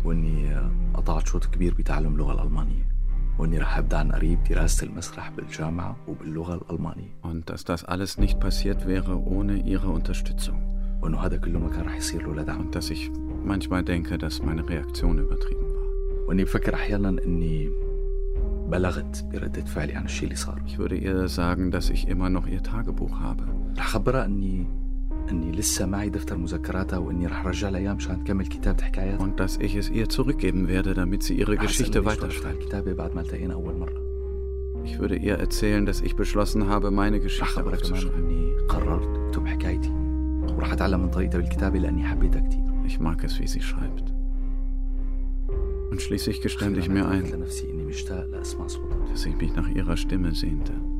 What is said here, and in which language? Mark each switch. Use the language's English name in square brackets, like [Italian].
[German] Und dass das alles nicht passiert wäre ohne ihre Unterstützung. Und dass ich manchmal denke, dass meine Reaktion übertrieben war. [Arabic] واني بفكر احيانا اني بلغت بردة فعلي عن الشيء اللي صار. [German] Ich würde ihr sagen, dass ich immer noch ihr Tagebuch habe. [Arabic] رح خبرها اني لسه معي دفتر مذكراتها واني رح رجع لايام مشان تكمل كتاب حكايات. [German] Und dass ich es ihr zurückgeben werde, damit sie ihre Geschichte weiterschreibt. [Arabic] كتابي بعد ما التقينا اول مرة. [German] Ich würde ihr erzählen, dass ich beschlossen habe, meine Geschichte aufzuschreiben. [Arabic] اني قررت اكتب حكايتي. ورح اتعلم من طريقتها بالكتابة لاني حبيتها كتير. [German] Ich mag es, wie sie schreibt. Und schließlich gestand ich mir ein, dass ich mich nach ihrer Stimme sehnte.